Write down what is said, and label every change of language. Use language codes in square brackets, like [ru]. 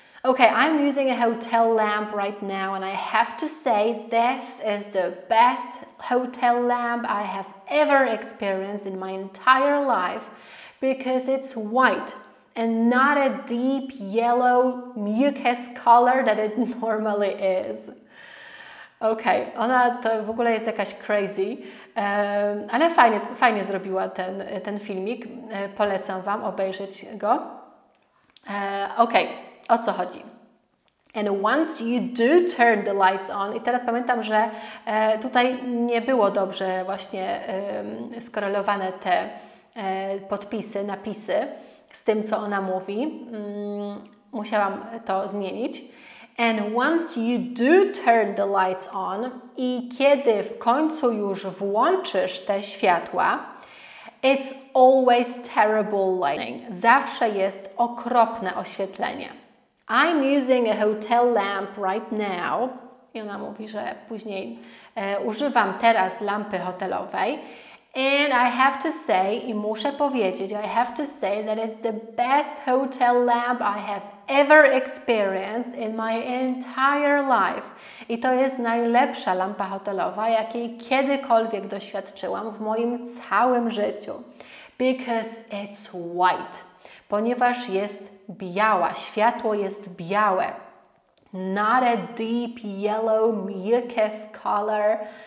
[en] Okay, I'm using a hotel lamp right now, and I have to say, this is the best hotel lamp I have ever experienced in my entire life, because it's white and not a deep yellow mucus color that it normally is. [pl] Okay, ona to w ogóle jest jakaś crazy. Ale fajnie zrobiła ten filmik. Polecam wam obejrzeć go. Okej, o co chodzi? [en] And once you do turn the lights on, [pl] i teraz pamiętam, że tutaj nie było dobrze właśnie skorelowane te podpisy, napisy z tym, co ona mówi. Musiałam to zmienić. [en] And once you do turn the lights on, [pl] i kiedy w końcu już włączysz te światła, [en] it's always terrible lighting. [pl] Zawsze jest okropne oświetlenie. [en] I'm using a hotel lamp right now. [pl] I ona mówi, że później używam teraz lampy hotelowej. [en] And I have to say, [pl] i muszę powiedzieć, [en] I have to say that it's the best hotel lamp I have ever experienced in my entire life. [pl] I to jest najlepsza lampa hotelowa, jakiej kiedykolwiek doświadczyłam w moim całym życiu. [en] Because it's white. [pl] Ponieważ jest biała, światło jest białe. [en] Not a deep yellow mucus color.